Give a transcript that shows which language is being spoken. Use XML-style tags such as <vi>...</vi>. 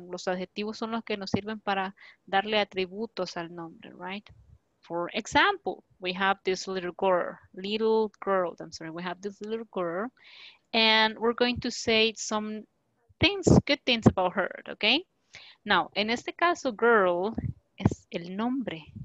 <es>Los adjetivos son los que nos sirven para darle atributos al nombre, right?</es> <en>For example, we have this little girl, I'm sorry, we have this little girl, and we're going to say some things, good things about her, okay?</en> <es>Now, en este caso, girl es el nombre.</es>